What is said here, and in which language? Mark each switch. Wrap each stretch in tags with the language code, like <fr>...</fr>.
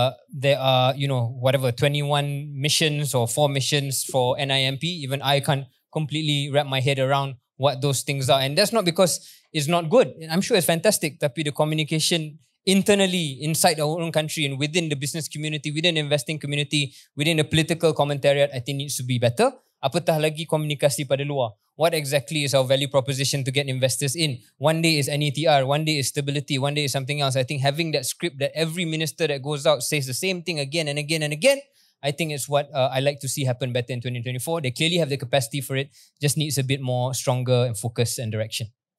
<en>There are, you know, whatever, 21 missions or 4 missions for NIMP. Even I can't completely wrap my head around what those things are. And that's not because it's not good. I'm sure it's fantastic. Tapi the communication internally, inside our own country and within the business community, within the investing community, within the political commentariat, I think needs to be better.</en> <ms>Apatah lagi komunikasi pada luar.</ms> <en>What exactly is our value proposition to get investors in? One day is NETR, one day is stability, one day is something else. I think having that script that every minister that goes out says the same thing again and again and again, I think it's what I like to see happen better in 2024. They clearly have the capacity for it, just needs a bit more stronger and focus and direction.</en>